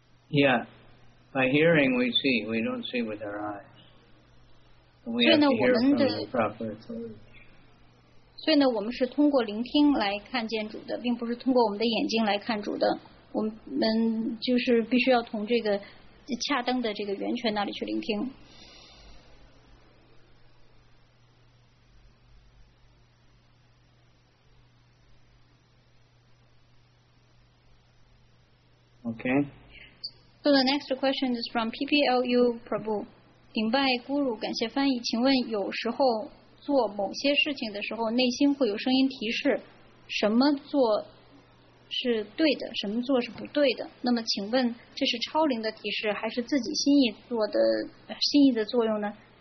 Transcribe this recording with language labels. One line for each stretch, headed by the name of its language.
English: Yeah, by hearing we see, we don't see with our eyes. We have to hear from the proper authority.
Chinese: 所以呢，我们是通过聆听来看见主的，并不是通过我们的眼睛来看主的。我们就是必须要从这个恰当的这个源泉那里去聆听。
English: Okay. So the next question is from PPLU Prabhu.
Chinese: 顶拜 Guru, 感谢翻译。请问有时候做某些事情的时候，内心会有声音提示，什么做是对的，什么做是不对的。那么请问这是超灵的提示，还是自己心意做的心意的作用呢？